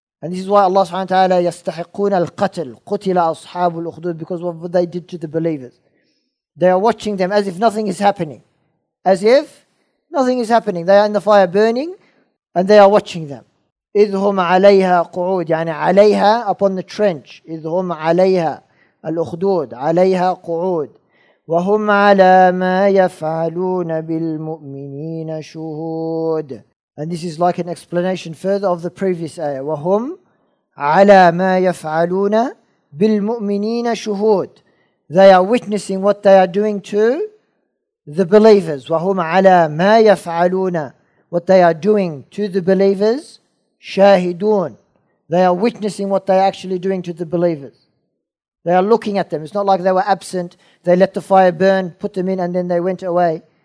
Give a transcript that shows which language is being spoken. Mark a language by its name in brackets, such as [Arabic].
[English] And this is why Allah subhanahu wa ta'ala [Arabic] يَسْتَحِقُونَ الْقَتْلِ قُتِلَ أَصْحَابُ الْأُخْدُودِ. [English] Because of what they did to the believers. They are watching them as if nothing is happening. As if nothing is happening. They are in the fire burning and they are watching them. [Arabic] إِذْهُمَ عَلَيْهَا قُعُودٌ. يعني عليها, [English] upon the trench. [Arabic] إِذْهُمَ عَلَيْهَا الأخدود عليها قعود وهم على ما يفعلون بالمؤمنين شهود. [English] And this is like an explanation further of the previous ayah. [Arabic] وهم على ما يفعلون بالمؤمنين شهود. [English] They are witnessing what they are doing to the believers. [Arabic] وهم على ما يفعلون, [English] what they are doing to the believers, شاهدون. They are witnessing what they are actually doing to the believers. They are looking at them. It's not like they were absent. They let the fire burn, put them in, and then they went away.